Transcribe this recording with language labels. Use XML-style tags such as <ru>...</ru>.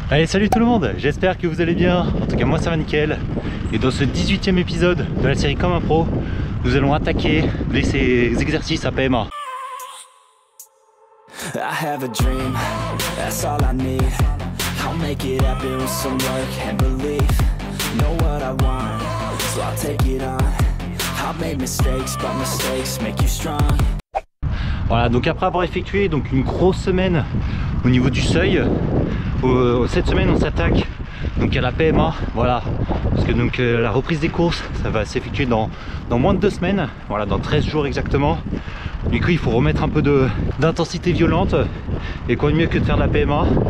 <fr>Allez, salut tout le monde, j'espère que vous allez bien. En tout cas, moi ça va nickel. Et dans ce 18e épisode de la série Comme un Pro, nous allons attaquer ces exercices à PMA.</fr> <en>I have a dream, that's all I need. I'll make it happen with some work and belief. Know what I want, so I'll take it on. I've made mistakes, but mistakes make you strong.</en> <fr>Voilà, donc après avoir effectué donc une grosse semaine au niveau du seuil, cette semaine on s'attaque donc à la PMA, voilà, parce que donc la reprise des courses ça va s'effectuer dans moins de 2 semaines, voilà, dans 13 jours exactement. Du coup il faut remettre un peu d'intensité violente, et quoi de mieux que de faire de la PMA.</fr>